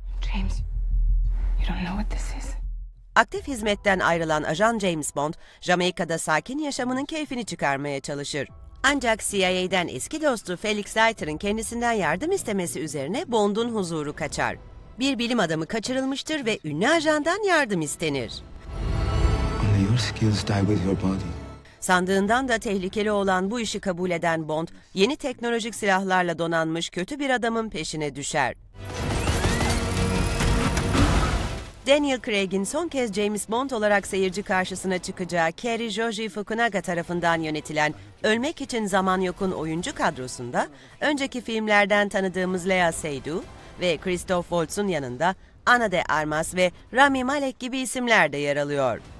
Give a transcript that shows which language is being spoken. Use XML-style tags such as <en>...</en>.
<en>James, you don't know what this is.</en> <tr>Aktif hizmetten ayrılan ajan James Bond, Jamaika'da sakin yaşamının keyfini çıkarmaya çalışır. Ancak CIA'den eski dostu Felix Leiter'ın kendisinden yardım istemesi üzerine Bond'un huzuru kaçar. Bir bilim adamı kaçırılmıştır ve ünlü ajandan yardım istenir.</tr> <en>Only your skills die with your body.</en> <tr>Sandığından da tehlikeli olan bu işi kabul eden Bond, yeni teknolojik silahlarla donanmış kötü bir adamın peşine düşer. Daniel Craig'in son kez James Bond olarak seyirci karşısına çıkacağı Kerry Joji Fukunaga tarafından yönetilen Ölmek İçin Zaman Yok'un oyuncu kadrosunda önceki filmlerden tanıdığımız Lea Seydoux ve Christoph Waltz'un yanında Ana de Armas ve Rami Malek gibi isimler de yer alıyor.</tr>